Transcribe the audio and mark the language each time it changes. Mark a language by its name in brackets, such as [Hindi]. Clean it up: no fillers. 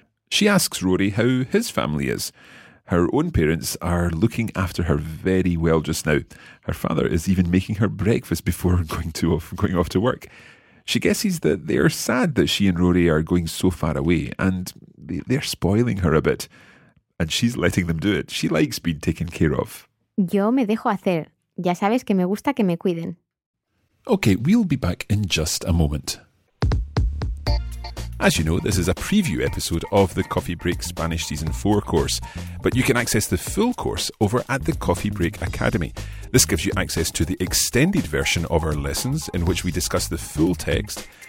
[English] She asks Rory how his family is. Her own parents are looking after her very well just now. Her father is even making her breakfast before going off to work. She guesses that they're sad that she and Rory are going so far away and they're spoiling her a bit. And she's letting them do it. She likes being taken care of. [Spanish] Yo me dejo hacer. Ya sabes que me gusta que me cuiden. [English] Okay, we'll be back in just a moment. As you know, this is a preview episode of the Coffee Break Spanish Season 4 course. But you can access the full course over at the Coffee Break Academy. This gives you access to the extended version of our lessons in which we discuss the full text.